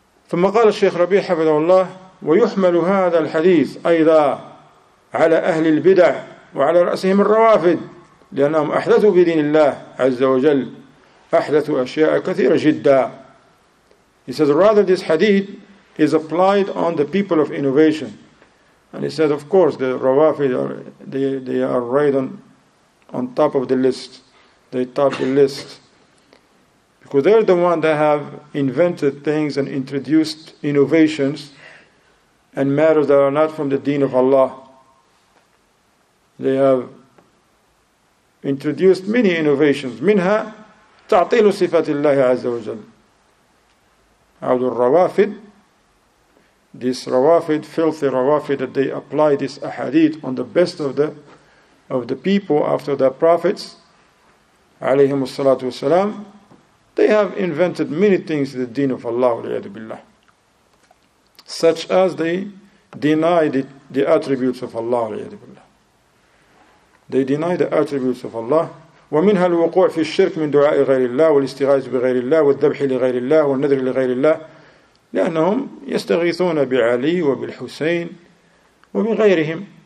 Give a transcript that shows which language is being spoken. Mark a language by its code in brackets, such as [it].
[ar] ثم قال الشيخ ربيع حفظه الله ويحمل هذا الحديث أيضا على أهل البدع وعلى رأسهم الروافد لأنهم أحدثوا بدين الله عز وجل أحدثوا أشياء كثيرة جدا. [en] He says rather this hadith is applied on the people of innovation, and he said of course the Rawafid they are right on top of the list. They top the list because they're the one that have invented things and introduced innovations and matters that are not from the deen of Allah. They have introduced many innovations. [ar] منها تعطيل صفات الله عز وجل. [en] عود الروافد, this Rawafid, filthy Rawafid, that they apply this ahadith on the best of the people after the prophets, عليهم الصلاة والسلام, they have invented many things in the deen of Allah, وليعذ بالله. Such as they deny the attributes of Allah. They deny the attributes of Allah. [ar] ومنها الوقوع في الشرك من دعاء غير الله والاستغاثة بغير الله والذبح لغير الله والنذر لغير الله. لأنهم يستغيثون بعلي وبالحسين وبغيرهم.